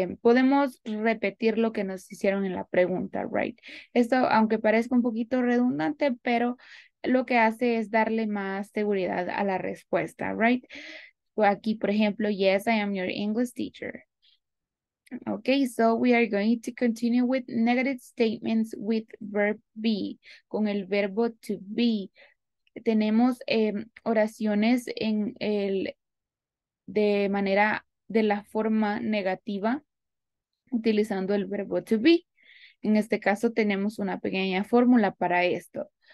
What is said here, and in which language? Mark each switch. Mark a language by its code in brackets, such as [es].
[es] Podemos repetir lo que nos hicieron en la pregunta, right? Esto, aunque parezca un poquito redundante, pero lo que hace es darle más seguridad a la respuesta, right? Aquí, por ejemplo, [en] yes, I am your English teacher. Okay, so we are going to continue with negative statements with verb be. [es] Con el verbo to be. Tenemos oraciones en el de manera, de la forma negativa, utilizando el verbo to be. En este caso, tenemos una pequeña fórmula para esto.